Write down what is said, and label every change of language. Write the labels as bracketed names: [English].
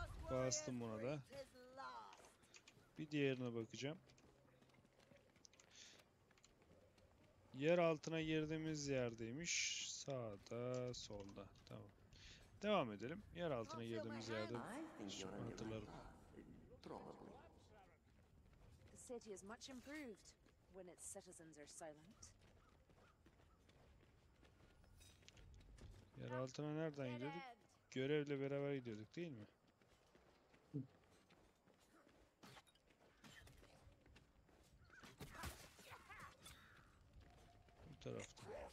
[Turkish] Bastım buna da. Bir diğerine bakacağım. Yer altına girdiğimiz yerdeymiş. Sağda, solda. Tamam. Devam edelim. Yer altına girdiğimiz yerde. Hatırlarım. [English] The city is much improved when its citizens are silent. [Turkish] Yer altına nereden gidiyorduk? Görevle beraber gidiyorduk değil mi? Bu tarafta.